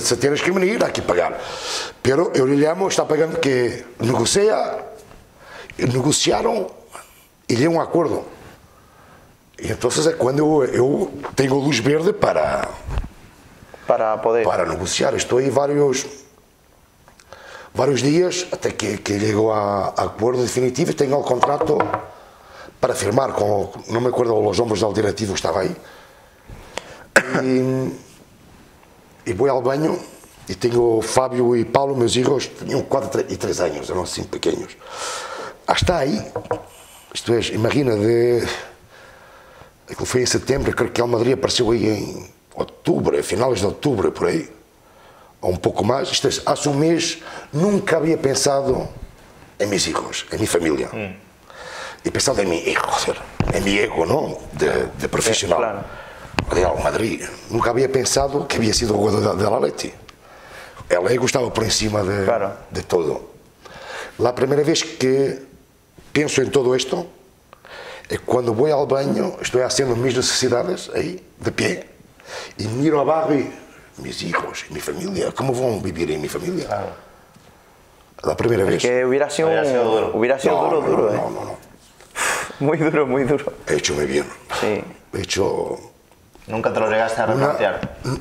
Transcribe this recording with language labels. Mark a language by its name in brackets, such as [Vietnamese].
[Spanish] Se tienes que venir, hay que pagar. Pero yo le llamo, está pagando que negocia, negociaron y llegó a un acuerdo. Y entonces es cuando yo tengo luz verde para... Para poder. Para negociar. Estoy varios... [Portuguese] Vários dias até que chegou a acordo definitivo e tenho o contrato para firmar com, não me acordo, os ombros do diretivo que estava aí. E vou ao banho e tenho Fábio e Paulo, meus irmãos, tinham 4 e 3 anos, eram assim pequenos. Ah, está aí, isto é, imagina, aquilo foi em setembro, creio que o Madrid apareceu aí em outubro, finais de outubro, por aí. Ou um pouco mais, isto é, há um mês nunca havia pensado em meus filhos, em minha família. E pensado em mim, em meu ego, não? De profissional. Claro. Real Madrid. Nunca havia pensado que havia sido jogador da Atleti. O ego estava por em cima de tudo. A primeira vez que penso em tudo isto é quando vou ao banho, estou fazendo minhas necessidades, aí, de pé, e miro a barra e. [Spanish] Mis hijos, mi familia, ¿cómo van a vivir en mi familia? Claro. La primera vez. Que hubiera sido duro. Hubiera sido duro, duro. No. Muy duro, muy duro. He hecho muy bien. Sí. He hecho. ¿Nunca te lo llegaste a replantear?